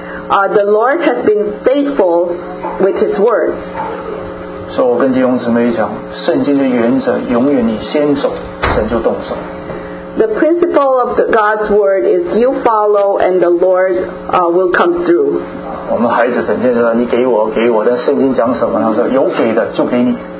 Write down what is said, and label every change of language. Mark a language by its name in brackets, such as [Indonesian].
[English] The Lord has been faithful with His word. [Chinese] 所以我跟弟兄姊妹讲，圣经的原则，永远你先走，神就动手。 [English] The principle of God's word is you follow and the Lord will come through. [Chinese] 我们孩子整天说你给我，但圣经讲什么？他说有给的就给你。